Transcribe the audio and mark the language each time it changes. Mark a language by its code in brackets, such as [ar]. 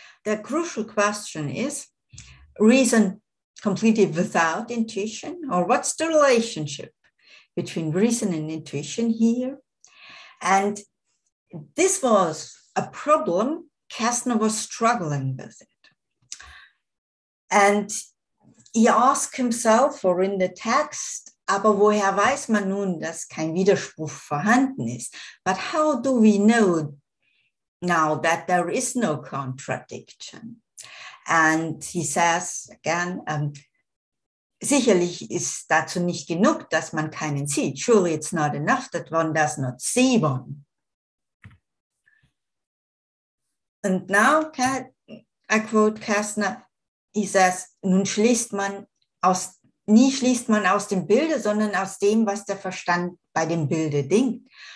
[en] The crucial question is, reason completely without intuition, or what's the relationship between reason and intuition here? And this was a problem Kästner was struggling with it. And he asked himself, or in the text, [de] aber woher weiß man nun, dass kein Widerspruch vorhanden ist? [en] But how do we know now that there is no contradiction? And he says again, [de] sicherlich ist dazu nicht genug, dass man keinen sieht. [en] Surely it's not enough that one does not see one. And now, I quote Kästner, he says, [de] nun schließt man aus, nie schließt man aus dem Bilde, sondern aus dem, was der Verstand bei dem Bilde denkt.